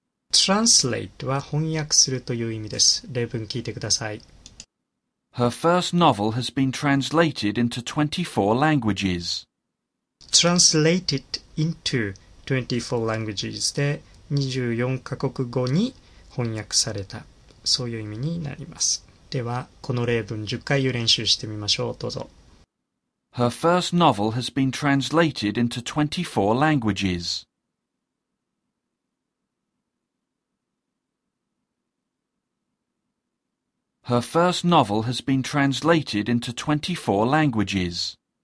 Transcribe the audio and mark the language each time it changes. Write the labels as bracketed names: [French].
[Japanese] Translate は翻訳するという意味です。例文聞いてください。 [English] Her first novel has been translated into 24 languages. Translated into 24 languages [Japanese] で24カ国語に翻訳された。そういう意味になります。ではこの例文10回練習してみましょう。どうぞ。 [English] Her first novel has been translated into 24 languages. Her first novel has been translated into 24 languages.